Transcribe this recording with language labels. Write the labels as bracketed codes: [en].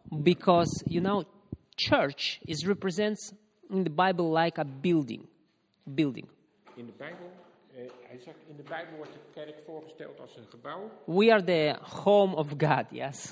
[en] Because, you know, church is represents in the Bible like a building. Building. In the Bible, I said, in the Bible [nl] wordt de kerk voorgesteld als een gebouw. [en] We are the home of God, yes.